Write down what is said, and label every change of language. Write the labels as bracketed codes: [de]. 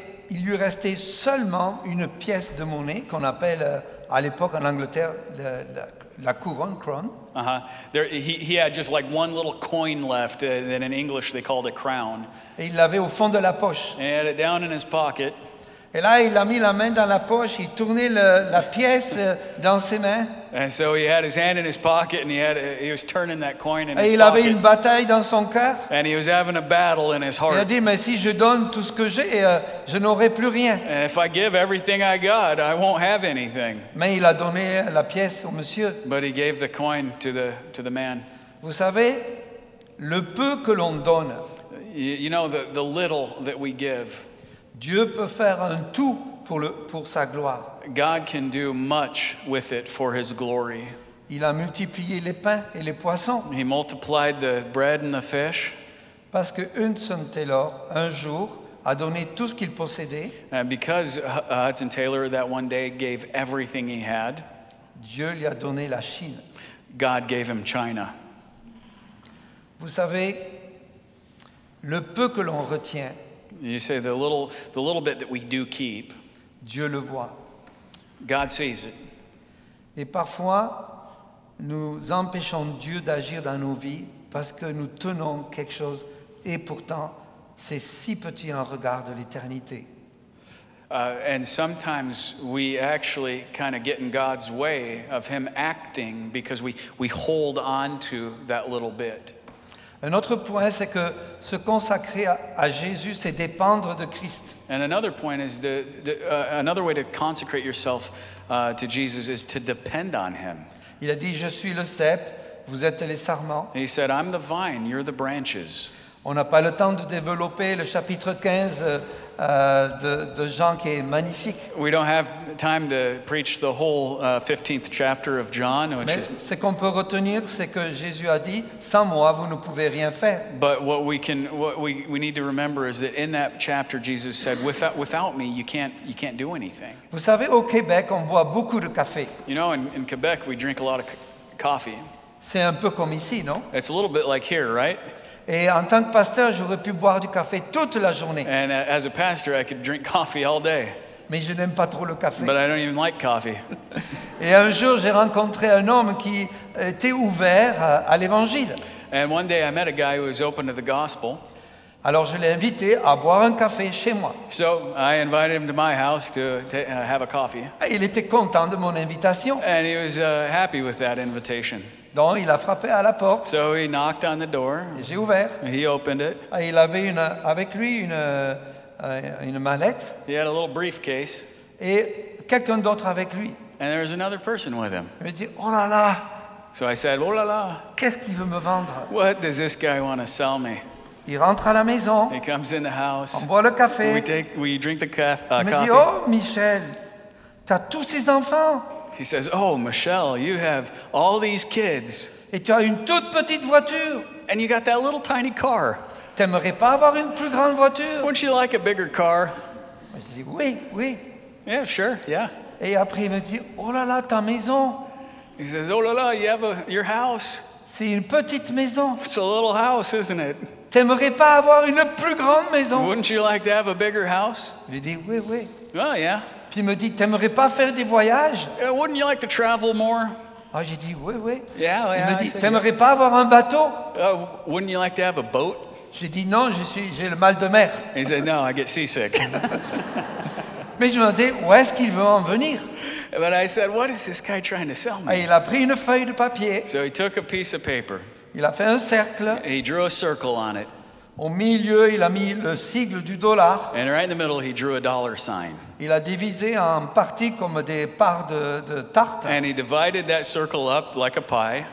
[fr] Il lui restait seulement une pièce de monnaie qu'on appelle à l'époque en Angleterre la couronne, crown. Uh-huh. [en] He had just like one little coin left that in English they called a crown. [fr] Et il l'avait au fond de la poche. [en] And he had it down in his pocket. [fr] Et là, il a mis la main dans la poche, il tournait la pièce dans ses mains. [en] And so he had his hand in his pocket and he was turning that coin in his pocket. [fr] Et il avait une bataille dans son cœur. [en] And he was having a battle in his heart. [fr] Il a dit, mais si je donne tout ce que j'ai, je n'aurai plus rien. [en] And if I give everything I got, I won't have anything. [fr] Mais il a donné la pièce au monsieur. [en] But he gave the coin to the man. [fr] Vous savez, le peu que l'on donne. [en] You know, the little that we give. [fr] Dieu peut faire un tout pour sa gloire. [en] God can do much with it for his glory. [fr] Il a multiplié les pains et les poissons. [en] He multiplied the bread and the fish. [fr] Parce que Hudson Taylor, un jour, a donné tout ce qu'il possédait. [en] And because Hudson Taylor that one day gave everything he had. [fr] Dieu lui a donné la Chine. [en] God gave him China. [fr] Vous savez, le peu que l'on retient. [en] You say the little bit that we do keep. [fr] Dieu le voit. [en] God sees it. [fr] Et parfois, nous empêchons Dieu d'agir dans nos vies parce que nous tenons quelque chose et pourtant c'est si petit en regard de l'éternité. [en] And sometimes we actually kind of get in God's way of him acting because we hold on to that little bit. [fr] Un autre point, c'est que se consacrer à Jésus, c'est dépendre de Christ. [en] And another point is another way to consecrate yourself to Jesus is to depend on him. [fr] Il a dit, je suis le cep, vous êtes les sarments. [en] He said, I'm the vine, you're the branches. [fr] On n'a pas le temps de développer le chapitre 15 de Jean qui est magnifique. [en] We don't have time to preach the whole 15th chapter of John, which [fr] Mais [en] is. [fr] Ce qu'on peut retenir, c'est que Jésus a dit, sans moi, vous ne pouvez rien faire. [en] But what we need to remember is that in that chapter, Jesus said, without me, you can't do anything. [fr] Vous savez, au Québec, on boit beaucoup de café. [en] You know, in Quebec, we drink a lot of coffee. [fr] C'est un peu comme ici, non? [en] It's a little bit like here, right? [fr] Et en tant que pasteur, j'aurais pu boire du café toute la journée. [en] And as a pastor, I could drink coffee all day. [fr] Mais je n'aime pas trop le café. [en] But I don't even like coffee. [fr] Et un jour, j'ai rencontré un homme qui était ouvert à l'évangile. [en] And one day, I met a guy who was open to the gospel. [fr] Alors, je l'ai invité à boire un café chez moi. [en] So, I invited him to my house to have a coffee. [fr] Et il était content de mon invitation. [en] And he was happy with that invitation. [fr] Donc, il a frappé à la porte. [en] So he knocked on the door. [fr] Et j'ai ouvert. [en] He opened it. [fr] Et il avait avec lui une mallette. [en] He had a little briefcase. [fr] Et quelqu'un d'autre avec lui. [en] And there was another person with him. [fr] Il me dit, oh là là. [en] So I said, oh là là. [fr] Qu'est-ce qu'il veut me vendre? [en] What does this guy want to sell me? [fr] Il rentre à la maison. [en] He comes in the house. [fr] On boit le café. [en] We drink the coffee. [fr] Il me dit, oh Michel, t'as tous ces enfants. [en] He says, oh, Michelle, you have all these kids. [fr] Et tu as une toute petite voiture. [en] And you got that little tiny car. [fr] T'aimerais pas avoir une plus grande voiture? [en] Wouldn't you like a bigger car? [fr] Je dis, oui, oui. [en] Yeah, sure, yeah. [fr] Et après, il me dit, oh là là, ta maison. [en] He says, oh là là, you have your house. [fr] C'est une petite maison. [en] It's a little house, isn't it? [fr] T'aimerais pas avoir une plus grande maison? [en] Wouldn't you like to have a bigger house? [fr] Je dis, oui, oui. [en] Oh, yeah. [fr] Puis il me dit, t'aimerais pas faire des voyages? [en] Wouldn't you like to travel more? [fr] Ah, j'ai dit, oui, oui. [en] Yeah, [fr] il me dit, [en] I [fr] t'aimerais pas avoir un bateau? [en] Wouldn't you like to have a boat? [fr] J'ai dit, non, j'ai le mal de mer. [en] He said, no, I get seasick. [fr] Mais je me demandais, où est-ce qu'il veut en venir? [en] But I said, what is this guy trying to sell me? [fr] Et il a pris une feuille de papier. [en] So he took a piece of paper. [fr] Il a fait un cercle. [en] And he drew a circle on it. [fr] Au milieu, il a mis le sigle du dollar. [en] And right in the middle, he drew a dollar sign. [fr] Il a divisé en parties comme des parts de tarte. [en] And he divided that circle up like a pie.